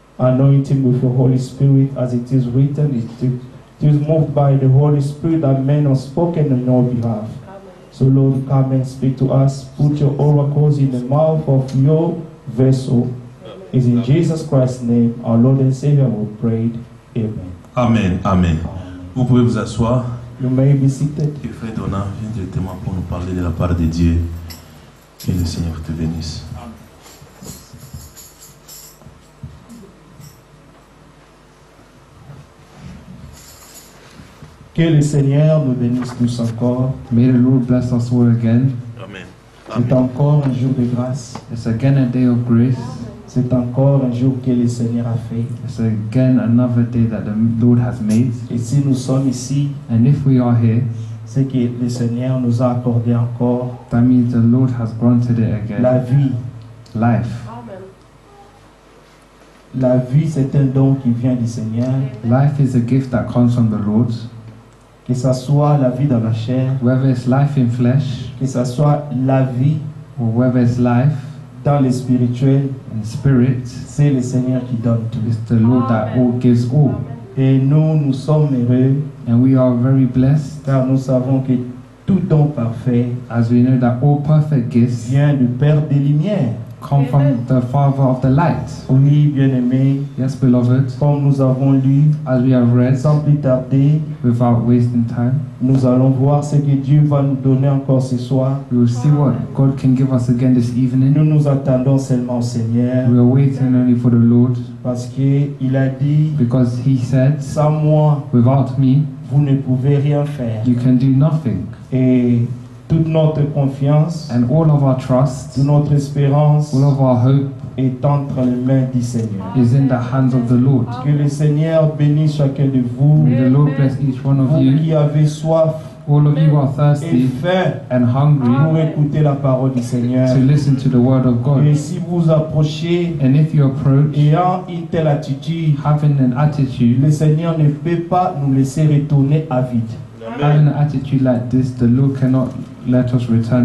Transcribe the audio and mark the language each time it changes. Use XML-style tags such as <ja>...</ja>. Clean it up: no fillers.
<en>Anoint him with your Holy Spirit as it is written. It is moved by the Holy Spirit that men have spoken on your behalf. Amen. So Lord, come and speak to us. Put your oracles in the mouth of your vessel. Amen. It's in Amen. Jesus Christ's name, our Lord and Savior, we prayed. Amen. Amen. Amen.</en> <fr>Vous pouvez vous asseoir.</fr> <en>You may be seated.</en> <fr>Et Frère Donat, viens directement pour nous parler de la part de Dieu. Que le Seigneur te bénisse. Amen. Que le Seigneur nous bénisse tous encore.</fr> <en>May the Lord bless us all again. Amen.</en> <fr>C'est encore un jour de grâce.</fr> <en>It's again a day of grace.</en> <fr>C'est encore un jour que le Seigneur a fait.</fr> <en>It's again another day that the Lord has made.</en> <fr>Et si nous sommes ici,</fr> <en>and if we are here,</en> <fr>c'est que le Seigneur nous a accordé encore.</fr> <en>That means the Lord has granted it again.</en> <fr>La vie.</fr> <en>Life. Amen.</en> <fr>La vie, c'est un don qui vient du Seigneur.</fr> <en>Life is a gift that comes from the Lord.</en> <fr>Que ça soit la vie dans la chair.</fr> <en>Whether it's life in flesh.</en> <fr>Que ça soit la vie.</fr> <en>Or whether it's life.</en> <fr>Dans le spirituel,</fr> <en>and spirit,</en> <fr>c'est le Seigneur qui donne tout.</fr> <en>It's the Lord Amen. That all gives all. Amen.</en> <fr>Et nous sommes heureux,</fr> <en>and we are very blessed,</en> <fr>car nous savons que tout don parfait,</fr> <en>as we know that all perfect gifts,</en> <fr>vient du Père des Lumières,</fr> <en>come from the Father of the Light.</en> <fr>Oui, bien-aimé,</fr> <en>yes, beloved,</en> <fr>comme nous avons lu,</fr> <en>as we have read,</en> <fr>sans plus tarder,</fr> <en>without wasting time,</en> <fr>nous allons voir ce que Dieu va nous donner encore ce soir.</fr> <en>We will see what God can give us again this evening.</en> <fr>Nous nous attendons seulement au Seigneur.</fr> <en>We are waiting only for the Lord.</en> <fr>Parce que il a dit,</fr> <en>because he said,</en> <fr>sans moi,</fr> <en>without me,</en> <fr>vous ne pouvez rien faire.</fr> <en>You can do nothing.</en> <fr>Et toute notre confiance,</fr> <en>and all of our trust,</en> <fr>toute notre espérance,</fr> <en>all of our hope,</en> <fr>est entre les mains du Seigneur.</fr> <en>Is in the hands of the Lord.</en> <fr>Que le Seigneur bénisse chacun de vous.</fr> <en>May the Lord bless each one of you.</en> <fr>Vous qui avez soif,</fr> <en>all of you are thirsty,</en> <fr>et faim,</fr> <en>and hungry,</en> <fr>pour écouter la parole du Seigneur.</fr> <en>To listen to the word of God.</en> <fr>Et si vous approchez,</fr> <en>and if you approach,</en> <fr>ayant une telle attitude,</fr> <en>having an attitude,</en> <fr>le Seigneur ne peut pas nous laisser retourner à vide.</fr> <en>Having an attitude like this, the Lord cannot let us return</en>